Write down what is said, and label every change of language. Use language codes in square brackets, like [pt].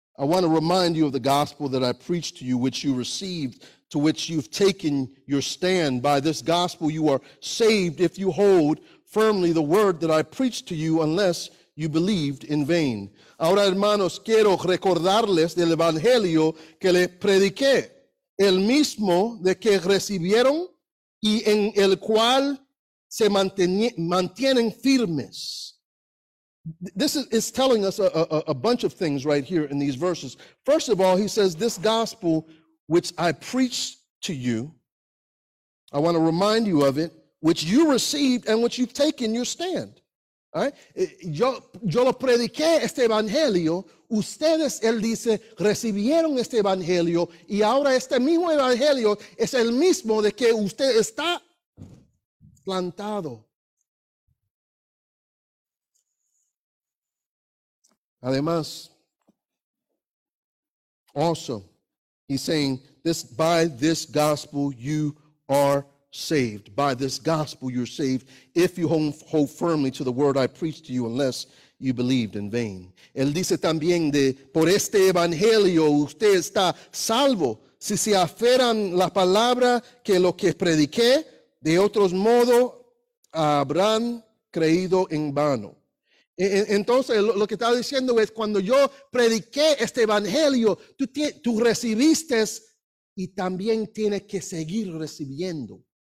[en] I want to remind you of the gospel that I preached to you, which you received, to which you've taken your stand. By this gospel you are saved if you hold firmly the word that I preached to you, unless you believed in vain. [es] Ahora, hermanos, quiero recordarles del evangelio que le prediqué, el mismo de que recibieron y en el cual se mantienen firmes. [en] This is, it's telling us a bunch of things right here in these verses. First of all, he says, this gospel which I preach to you, I want to remind you of it, which you received and which you've taken your stand. All right? [es] Yo lo prediqué este evangelio, ustedes, él dice, recibieron este evangelio, y ahora este mismo evangelio es el mismo de que usted está plantado. [en] Además, also, he's saying, by this gospel you are saved. By this gospel you're saved if you hold firmly to the word I preached to you, unless you believed in vain. [es] Él dice también de, por este evangelio usted está salvo si se aferran la palabra que lo que prediqué, de otros modo habrán creído en vano. Entonces, lo que estaba diciendo es, cuando yo prediqué este evangelio, tú recibiste y también tienes que seguir recibiendo.